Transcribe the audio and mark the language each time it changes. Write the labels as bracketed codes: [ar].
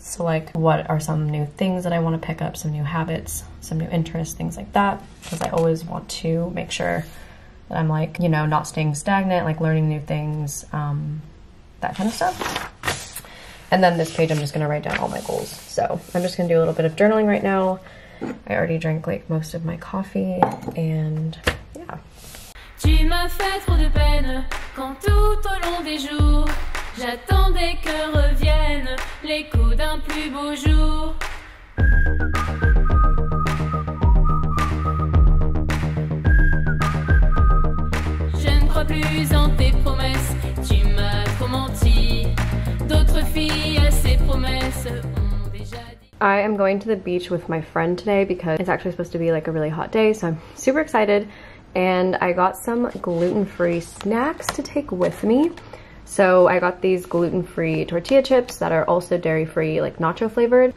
[en] So like, what are some new things that I want to pick up, some new habits, some new interests, things like that, because I always want to make sure that I'm like, you know, not staying stagnant, like learning new things, that kind of stuff. And then this page, I'm just going to write down all my goals. So I'm just going to do a little bit of journaling right now. I already drank like most of my coffee and yeah. [fr] Tu m'as fait trop de peine quand tout au long des jours j'attendais que reviennent les coups d'un plus beau jour. Je ne crois plus en tes promesses, tu m'as trop menti. D'autres filles à ces promesses. [en] I am going to the beach with my friend today because it's actually supposed to be like a really hot day, so I'm super excited. And I got some gluten-free snacks to take with me. So I got these gluten-free tortilla chips that are also dairy-free, like nacho flavored.